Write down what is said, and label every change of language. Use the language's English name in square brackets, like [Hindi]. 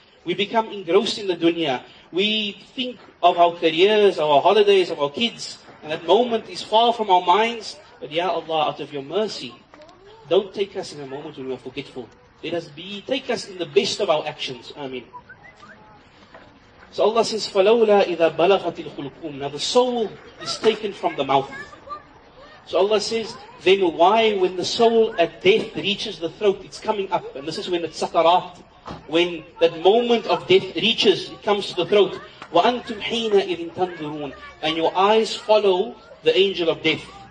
[English] We become engrossed in the dunya. We think of our careers, our holidays, of our kids. And that moment is far from our minds. But Ya Allah, out of your mercy, don't take us in a moment when we are forgetful. Let us be, take us in the best of our actions. Ameen. So Allah says, [Arabic] فَلَوْلَا إِذَا بَلَغَتِ الْخُلْقُومِ. [English] Now the soul is taken from the mouth. So Allah says, then why when the soul at death reaches the throat, it's coming up. And this is when it's sakarat. When that moment of death reaches, it comes to the throat. [Arabic] وَأَنْتُمْ حِينَ إِذٍ تَنْظُرُونَ. [English] And your eyes follow the angel of death.